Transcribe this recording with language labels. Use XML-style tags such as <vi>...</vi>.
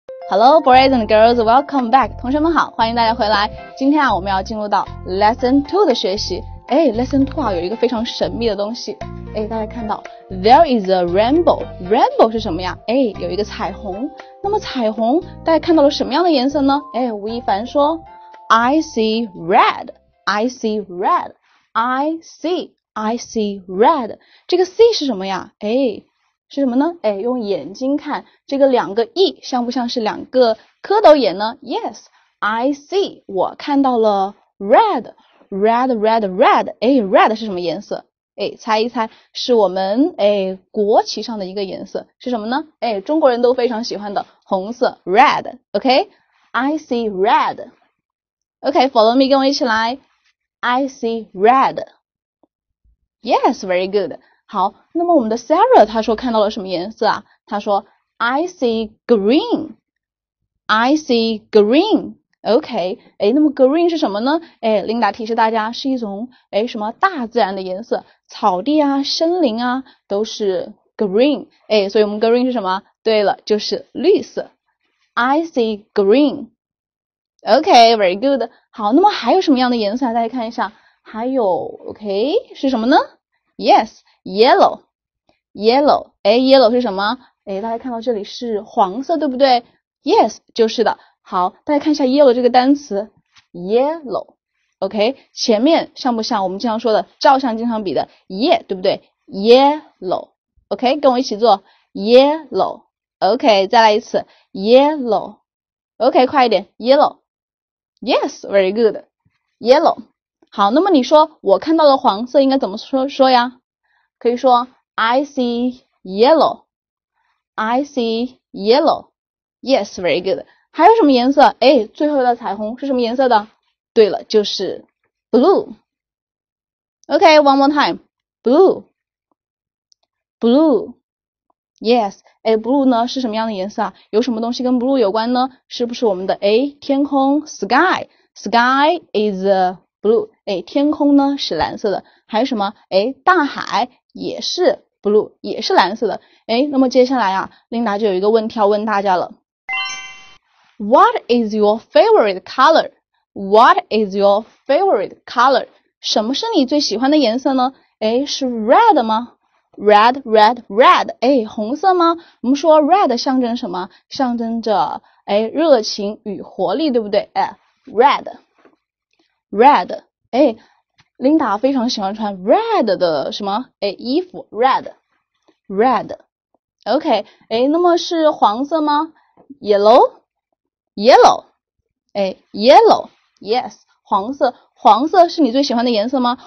<en>Hello, boys and girls, welcome back.</en> <zh>同学们好，欢迎大家回来。今天啊，我们要进入到 Lesson 2的学习。哎， Lesson 2啊，有一个非常神秘的东西。哎，大家看到</zh> <en>There is a rainbow.</en> <zh>Rainbow 是什么呀？哎，有一个彩虹。那么彩虹大家看到了什么样的颜色呢？哎，吴亦凡说</zh> <en>I see red. I see red. I see red.</en> <zh>这个 see 是什么呀？哎，是什么呢？哎，用眼睛看，这个两个 E 像不像是两个蝌蚪眼呢？</zh> <en>Yes, I see,</en> <zh>我看到了</zh> <en>red, red, red, red.</en> <zh>哎， red 是什么颜色？哎，猜一猜，是我们哎国旗上的一个颜色，是什么呢？哎，中国人都非常喜欢的红色 red.</zh> <en>OK, I see red. OK, follow me,</en> <zh>跟我一起来。</zh> <en>I see red. Yes, very good.</en> <zh>好，那么我们的 Sarah 她说看到了什么颜色啊？她说</zh> <en>I see green. I see green.</en> <zh>OK, 哎，那么 green 是什么呢？哎， Linda 提示大家是一种哎什么大自然的颜色，草地啊，森林啊，都是 green. 哎，所以我们 green 是什么？对了，就是绿色。</zh> <en>I see green. OK, very good.</en> <zh>好，那么还有什么样的颜色啊？大家看一下，还有 OK 是什么呢？</zh> <en>Yes, yellow, yellow. 哎 ，yellow</en> <zh>是什么？哎，大家看到这里是黄色，对不对 ？Yes, 就是的。好，大家看一下 yellow 这个单词 ，yellow. OK, 前面像不像我们经常说的照相经常比的 ye, 对不对 ？Yellow. OK, 跟我一起做 yellow. OK, 再来一次 yellow.</zh> <en>OK, 快一点 yellow. Yes, very good. Yellow.</en> <zh>好，那么你说我看到了黄色应该怎么说呀？可以说</zh> <en>I see yellow. I see yellow. Yes, very good.</en> <zh>还有什么颜色？哎，最后的彩虹是什么颜色的？对了，就是</zh> <en>blue. OK, one more time. Blue. Blue. Yes.</en> <zh>哎， blue 呢是什么样的颜色啊？有什么东西跟 blue 有关呢？是不是我们的哎天空 sky?</zh> <en>Sky is a blue.</en> <zh>哎，天空呢是蓝色的，还有什么？哎，大海也是 blue, 也是蓝色的。哎，那么接下来啊，琳达就有一个问题要问大家了。</zh> <en>What is your favorite color? What is your favorite color?</en> <zh>什么是你最喜欢的颜色呢？哎，是 red 吗？Red, red, red. 哎，红色吗？我们说 red 象征什么？象征着哎热情与活力，对不对？哎， red. Red, 哎，琳达非常喜欢穿 red 的什么哎衣服 ，red, red, OK, 哎，那么是黄色吗 ？Yellow, yellow, 哎 ，yellow, yes, 黄色，黄色是你最喜欢的颜色吗？</zh>